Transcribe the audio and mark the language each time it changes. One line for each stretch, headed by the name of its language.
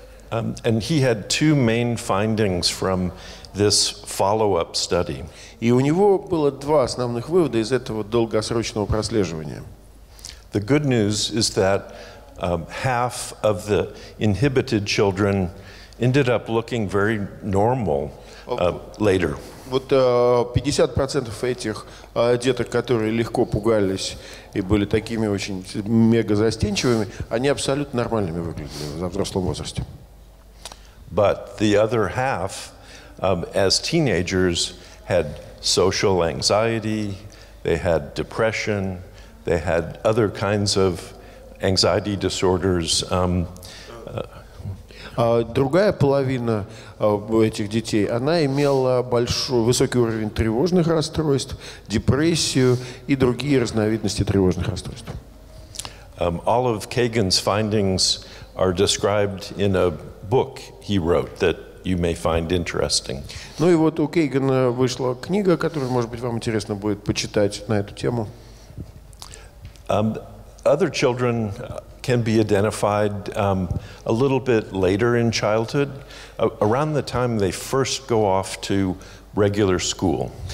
English: And he had two main findings from this follow-up study.
Russian: И у него было два основных вывода из этого долгосрочного прослеживания.
English: The good news is that half of the inhibited children ended up looking very normal later.
Russian: Вот 50% этих деток, которые легко пугались и были такими очень мега застенчивыми, они абсолютно нормальными выглядели во взрослом возрасте.
English: But the other half, as teenagers, had social anxiety, they had depression, they had other kinds of anxiety disorders.
Russian: Другая половина этих детей, она имела большой, высокий уровень тревожных расстройств, депрессию и другие разновидности тревожных расстройств.
English: All of Kagan's findings are described in a book he wrote that you may find interesting.
Russian: Ну и вот у Кейгана вышла книга, которую, может быть, вам интересно будет почитать на эту тему.
English: Other children can be identified a little bit later in childhood, around the time they first go off to regular school.